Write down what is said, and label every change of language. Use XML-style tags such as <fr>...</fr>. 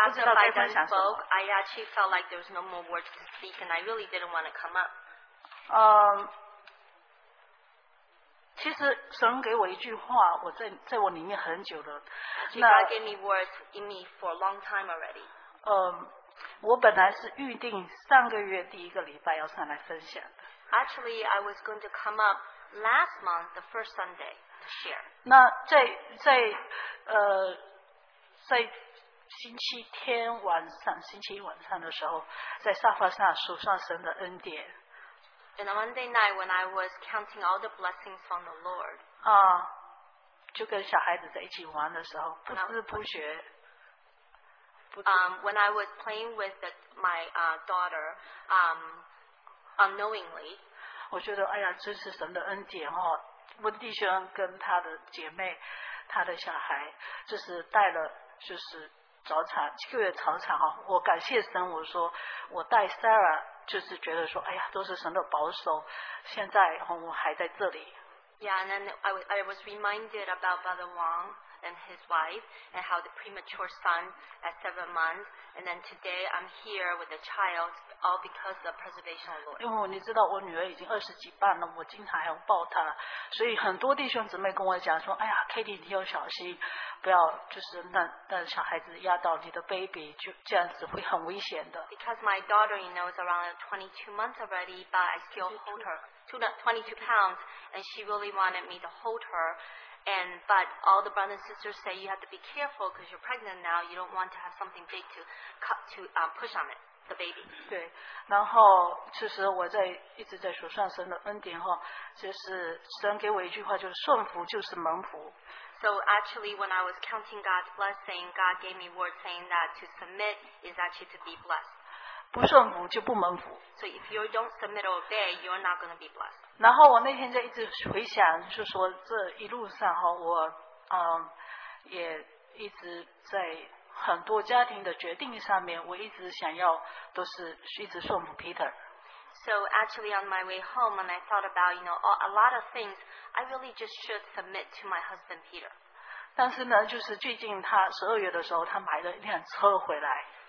<en>after I spoke, I actually felt like there was no more words to speak, and I really didn't want to come up.</en> <zh>其实神给我一句话，我在我里面很久了。</zh> <en>God gave me words in me for a long time already.</en> <zh>我本来是预定上个月第一个礼拜要上来分享的。</zh> <en>Actually, I was going to come up last month, the first Sunday, to share.</en> <zh>那在星期一晚上的时候，在沙发上数算神的恩典。</zh> <en>And on Monday night, when I was counting all the blessings from the Lord,</en> <zh>就跟小孩子在一起玩的时候，不知不觉。</zh> <en>When I was playing with my daughter, unknowingly,</en> <zh>我觉得哎呀，真是神的恩典哦！温弟兄跟他的姐妹，他的小孩，就是带了，就是早产，七个月早产哈、哦。我感谢神，我说我带 Sarah， 就是觉得说哎呀，都是神的保守，现在、哦、我还在这里。</zh> <en>Yeah, and then I was reminded about Brother Wong and his wife and how the premature son at 7 months, and then today I'm here with the child all because of preservation of Lord.</en> <zh>因为你知道我女儿已经二十几半了，我经常还要抱她，所以很多弟兄姊妹跟我讲说，哎呀 ，Katie， 你要小心，不要就是让小孩子压到你的 baby， 就这样子会很危险的。</zh> <en>Because my daughter, you know, is around 22 months already, but I still hold her. 22 pounds, and she really wanted me to hold her. And but all the brothers and sisters say you have to be careful because you're pregnant now. You don't want to have something big to cut to push on it, the baby.</en> <zh>对，然后其实我在一直在说算神的恩典哈，就是神给我一句话，就是顺服就是蒙福。</zh> <en>So actually, when I was counting God's blessing, God gave me word saying that to submit is actually to be blessed.</en> <zh>不顺服就不蒙福。</zh> <en>So if you don't submit or obey, you're not going to be blessed.</en> <zh>然后我那天就一直回想，就说这一路上哈，我也一直在很多家庭的决定上面，我一直想要都是一直顺服 Peter。</zh> <en>So actually, on my way home, when I thought about, you know, a lot of things, I really just should submit to my husband Peter.</en> <zh>但是呢，就是最近他十二月的时候，他买了一辆车回来。</zh>